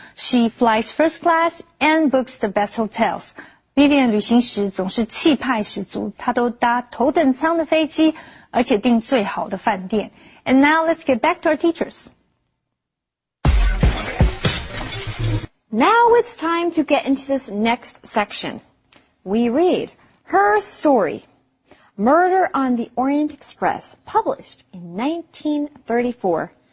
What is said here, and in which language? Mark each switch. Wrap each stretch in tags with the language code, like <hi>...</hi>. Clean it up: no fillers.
<en>She flies first class and books the best hotels.</en> <zh>Vivian 旅行时总是气派十足，她都搭头等舱的飞机，而且订最好的饭店。</zh> <en>And now let's get back to our teachers. Now it's time to get into this next section. We read Her Story, Murder on the Orient Express, published in 1934.</en>